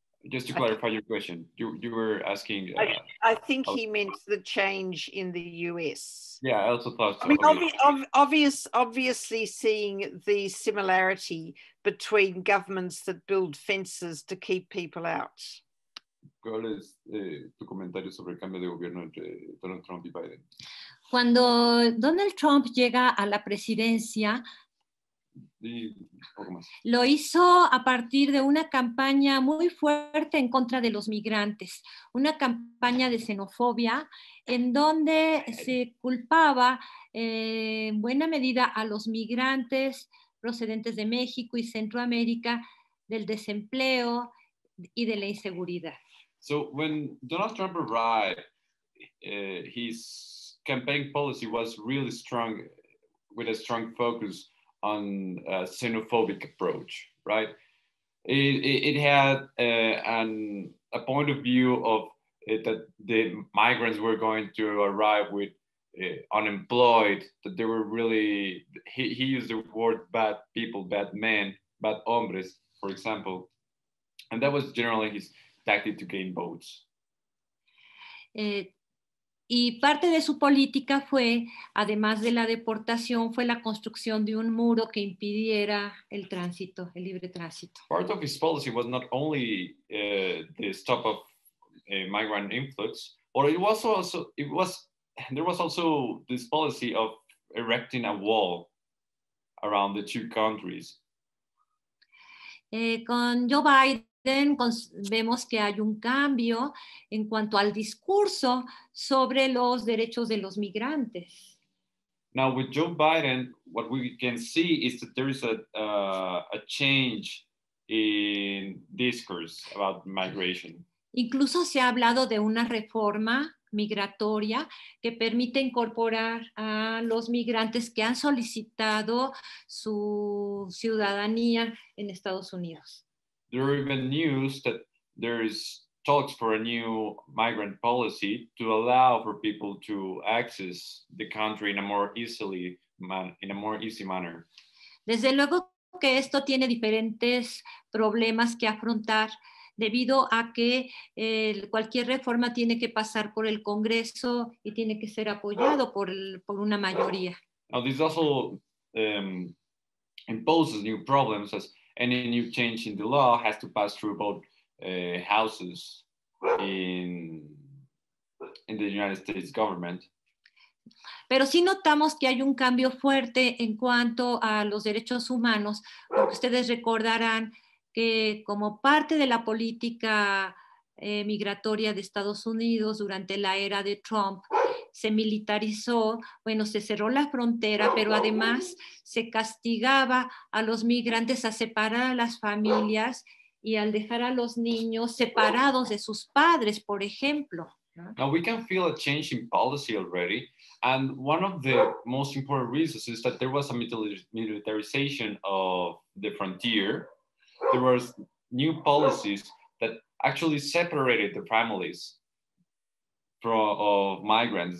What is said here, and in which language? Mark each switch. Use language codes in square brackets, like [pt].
[en] Just to clarify your question, you were asking. I think he meant the change in the US. Yeah, I also thought so. I mean, obviously seeing the similarity between governments that build fences to keep people out. [es] ¿Cuál es tu comentario sobre el cambio de gobierno entre Donald Trump y Biden? Cuando Donald Trump llega a la presidencia, lo hizo a partir de una campaña muy fuerte en contra de los migrantes, una campaña de xenofobia en donde se culpaba en buena medida a los migrantes procedentes de México y Centroamérica del desempleo y de la inseguridad. [en] So when Donald Trump arrived, his campaign policy was really strong, with a strong focus on a xenophobic approach, right? It had a point of view of that the migrants were going to arrive with unemployed, that they were really, he used the word bad people, bad men, bad hombres, for example. And that was generally his tactic to gain votes. [es] Y parte de su política fue, además de la deportación, fue la construcción de un muro que impidiera el tránsito, el libre tránsito. [en] Part of his policy was not only the stop of migrant influx, but there was also this policy of erecting a wall around the two countries. [es] Con Joe Biden vemos que hay un cambio en cuanto al discurso sobre los derechos de los migrantes. [en] Now with Joe Biden, what we can see is that there is a change in discourse about migration. [es] Incluso se ha hablado de una reforma migratoria que permite incorporar a los migrantes que han solicitado su ciudadanía en Estados Unidos. [en] There are even news that there is talks for a new migrant policy to allow for people to access the country in a more easily in a more easy manner. [es] Desde luego que esto tiene diferentes problemas que afrontar debido a que cualquier reforma tiene que pasar por el Congreso y tiene que ser apoyado por una mayoría. [en] Now this also imposes new problems as any new change in the law has to pass through both houses in the United States government. [es] Pero sí notamos que hay un cambio fuerte en cuanto a los derechos humanos, porque ustedes recordarán que como parte de la política migratoria de Estados Unidos durante la era de Trump, se militarizó, bueno, se cerró la frontera, pero además se castigaba a los migrantes a separar a las familias y al dejar a los niños separados de sus padres, por ejemplo. [en] Now we can feel a change in policy already, and one of the most important reasons is that there was a militarization of the frontier. There were new policies that actually separated the families of migrants.